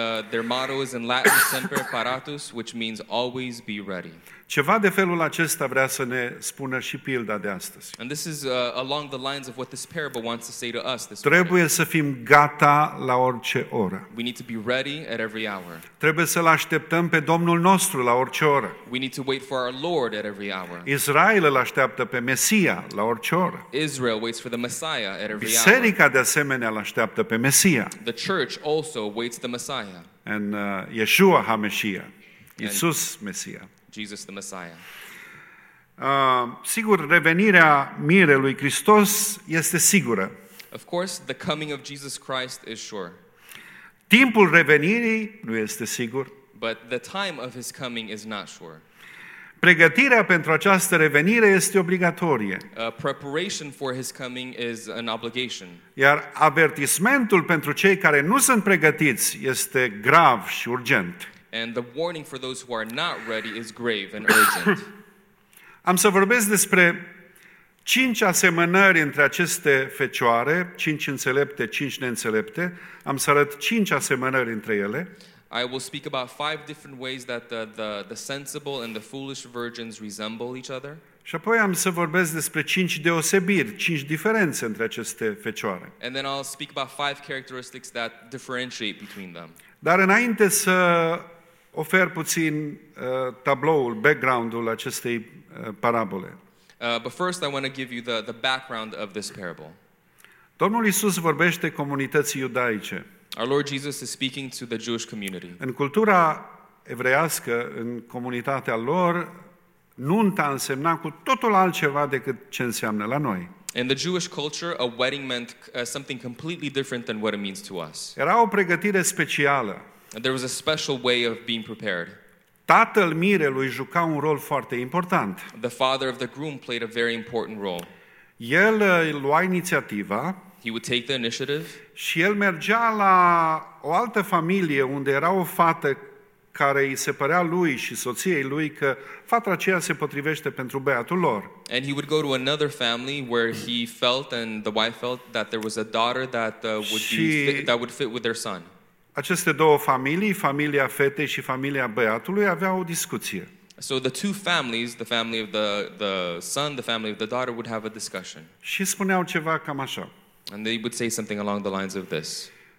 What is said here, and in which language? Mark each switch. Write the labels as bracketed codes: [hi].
[en] Their motto is in Latin, Semper Paratus, which means always be ready. [ro] Ceva de felul acesta vrea să ne spună și pilda de astăzi. [en] And this is along the lines of what this parable wants to say to us this [ro] Trebuie [en] morning. [ro] Să fim gata la orice oră. [en] We need to be ready at every hour. [ro] Trebuie să-L așteptăm pe Domnul nostru la orice oră. [en] We need to wait for our Lord at every hour. [ro] Israel îl așteaptă pe Mesia la orice oră. [en] Israel waits for the Messiah at every [ro] Biserica [en] hour. [ro] Biserica de asemenea îl așteaptă pe Mesia. [en] The church also waits the Messiah. And Yeshua HaMeshia. Iisus Mesia. Jesus the Messiah. [ro] Sigur, revenirea mirelui Hristos este sigură. [en] Of course, the coming of Jesus Christ is sure. [ro] Timpul revenirii nu este sigur. [en] But the time of his coming is not sure. [ro] Pregătirea pentru această revenire este obligatorie. [en] Preparation for his coming is an obligation. [ro] Iar avertismentul pentru cei care nu sunt pregătiți este grav și urgent. [en] And the warning for those who are not ready is grave and urgent. [ro] Am să vorbesc despre cinci asemănări între aceste fecioare, cinci înțelepte, cinci neînțelepte. Am să arăt cinci asemănări între ele. [en] I will speak about five different ways that the sensible and the foolish virgins resemble each other. [ro] Și apoi am să vorbesc despre cinci deosebiri, cinci diferențe între aceste fecioare. [en] And then I'll speak about five characteristics that differentiate between them. [ro] Dar înainte să ofer puțin tabloul, background-ul acestei parabole. [en] But first I want to give you the background of this parable. [ro] Domnul Iisus vorbește comunității iudaice. [en] Our Lord Jesus is speaking to the Jewish community. [ro] În cultura evreiască, în comunitatea lor, nunta însemna cu totul altceva decât ce înseamnă la noi. [en] In the Jewish culture, a wedding meant something completely different than what it means to us. [ro] Era o pregătire specială. [en] There was a special way of being prepared. [ro] Tatăl mirelui juca un rol foarte important. [en] The father of the groom played a very important role. [ro] El lua inițiativa. [en] He would take the initiative. [ro] Și el mergea la o altă familie unde era o fată care îi se părea lui și soției lui că fata aceea se potrivește pentru băiatul lor. [en] And he would go to another family where he felt and the wife felt that there was a daughter that would fit with their son. [ro] Aceste două familii, familia fetei și familia băiatului, aveau o discuție. [en] So the two families, the family of the son, the family of the daughter would have a discussion. [ro] Și spuneau ceva cam așa. [en] And they would say something along the lines of this.